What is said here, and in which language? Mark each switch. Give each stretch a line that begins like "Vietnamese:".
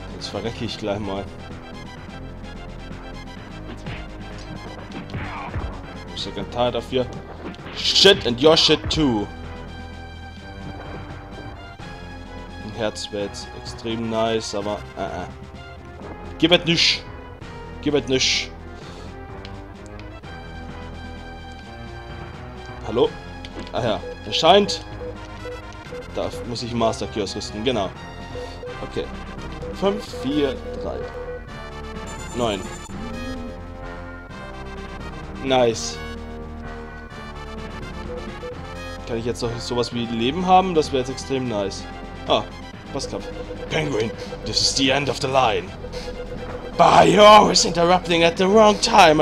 German: Verrecke ich gleich mal.
English: I'm sick and tired of your shit and your shit too.
German: Ein Herz wäre jetzt extrem nice, aber gib es nicht. Gib es nicht. Hallo? Ah ja, erscheint. Da muss ich Master Key ausrüsten, genau. Okay. 5, 4, 3, 9. Nice. Kann ich jetzt noch sowas wie Leben haben? Das wäre jetzt extrem nice. Ah, was gab's?
English: Penguin, this is the end of the line. But you're always interrupting at the wrong time.